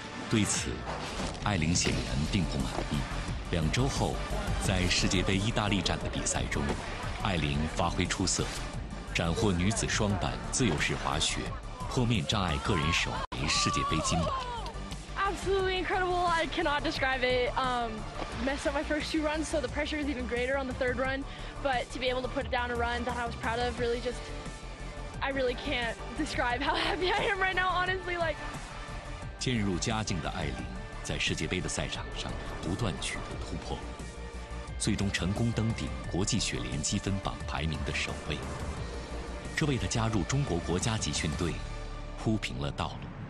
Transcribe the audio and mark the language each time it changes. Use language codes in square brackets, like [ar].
[zh] 对此，艾琳显然并不满意。两周后，在世界杯意大利站的比赛中，艾琳发挥出色，斩获女子双板、自由式滑雪、坡面障碍个人首枚世界杯金牌。 [en] Absolutely incredible! I cannot describe it. Messed up my first two runs, so the pressure is even greater on the third run. But to be able to put it down a run that I was proud of, really just, I really can't describe how happy I am right now. Honestly, like. [zh] 渐入佳境的艾琳，在世界杯的赛场上不断取得突破。最终成功登顶国际雪联积分榜排名的首位，这为他加入中国国家集训队铺平了道路。